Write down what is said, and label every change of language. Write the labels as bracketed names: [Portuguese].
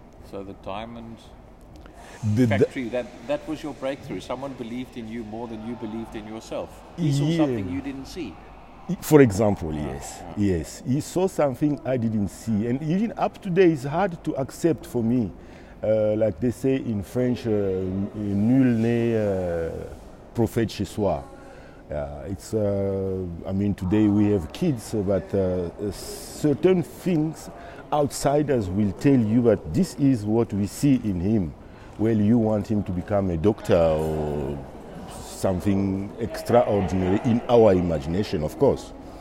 [English] So the diamond factory, that was your breakthrough. Someone believed in you more than you believed in yourself. He saw something you didn't see. For example, yes. He saw something I didn't see. And even up today, it's hard to accept for me. Like they say in French, [French] nul n'est prophète chez soi. [English] Today we have kids, but certain things outsiders will tell you that this is what we see in him. Well, you want him to become a doctor or something extraordinary in our imagination, of course.